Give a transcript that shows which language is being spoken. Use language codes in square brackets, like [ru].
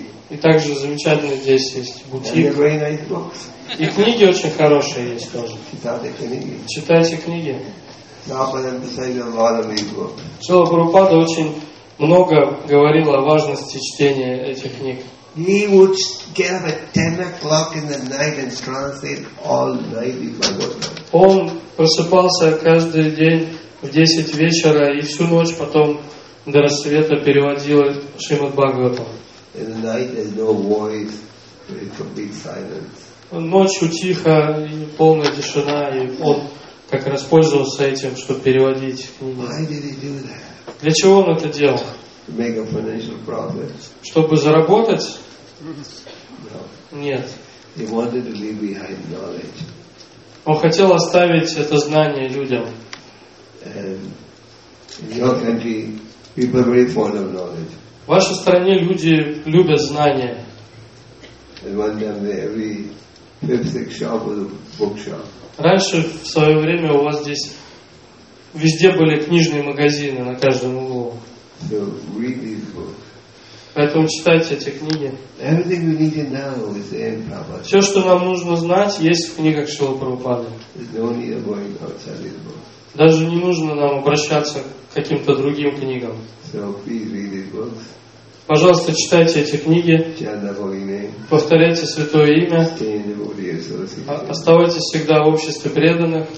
[ru] И также замечательно здесь есть бутик. И книги очень хорошие есть тоже. Читайте книги. Шрила Прабхупада очень много говорил о важности чтения этих книг. [en] He would get up at 10 o'clock in the night and translate all night before going. [ru] Он просыпался каждый день в 10 вечера и всю ночь потом до рассвета переводил Шримад Бхагаватам. [en] In the night there's no voice, there's complete silence. [ru] Ночью тихо и полная тишина, и он как раз пользовался этим, чтобы переводить книги. [en] Why did he do that? [ru] Для чего он это делал? [en] To make a financial profit. [ru] Чтобы заработать? [en] No. [ru] Нет. [en] He wanted to leave behind knowledge. [ru] Он хотел оставить это знание людям. [en] And in your country, people are very fond of knowledge. [ru] В вашей стране люди любят знания. [en] And one time every fifth, sixth shop was a bookshop. [ru] Раньше в свое время у вас здесь везде были книжные магазины на каждом углу. [en] So read these books. [ru] Поэтому читайте эти книги. [en] Everything we need to know is in Prabhupada. [ru] Все, что нам нужно знать, есть в книгах Шрилы Прабхупады. [en] There's no need of going outside these books. [ru] Даже не нужно нам обращаться к каким-то другим книгам. [en] So please read these books. [ru] Пожалуйста, читайте эти книги. [en] Chant the holy name. [ru] Повторяйте Святое Имя. [en] Stay in the holy association. [ru] Оставайтесь всегда в обществе преданных.